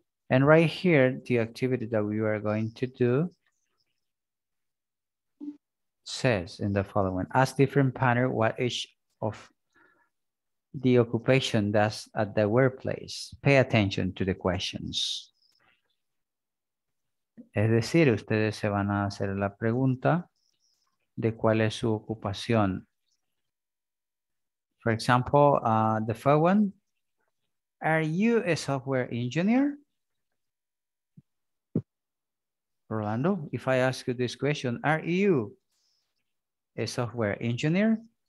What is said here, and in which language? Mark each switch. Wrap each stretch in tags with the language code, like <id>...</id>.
<en>And right here, the activity that we are going to do says in the following, ask different pattern what each of the occupation does at the workplace. Pay attention to the questions.</en> <es>Es decir, ustedes se van a hacer la pregunta de cuál es su ocupación.</es> <en>For example, the first one, are you a software engineer? Rolando, if I ask you this question, are you a software engineer?</en>